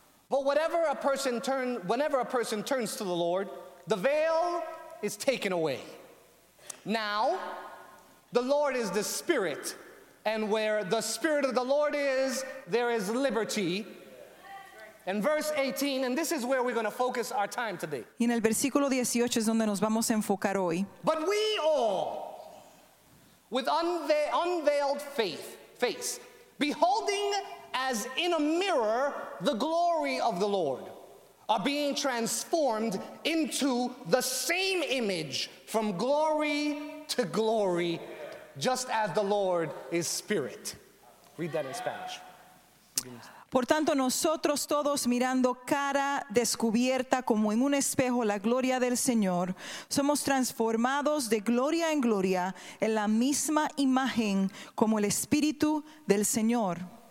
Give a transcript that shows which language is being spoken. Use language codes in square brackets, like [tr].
[en] But whenever a person turns to the Lord, the veil is taken away. Now, the Lord is the Spirit, and where the Spirit of the Lord is, there is liberty. And verse 18, and this is where we're going to focus our time today. [es] Y en el versículo 18 es donde nos vamos a enfocar hoy. [en] But we all, with unveiled face, beholding as in a mirror the glory of the Lord, are being transformed into the same image from glory to glory, just as the Lord is Spirit. Read that in Spanish. [es] Por tanto, nosotros todos mirando cara descubierta como en un espejo la gloria del Señor, somos transformados de gloria en gloria en la misma imagen como el Espíritu del Señor.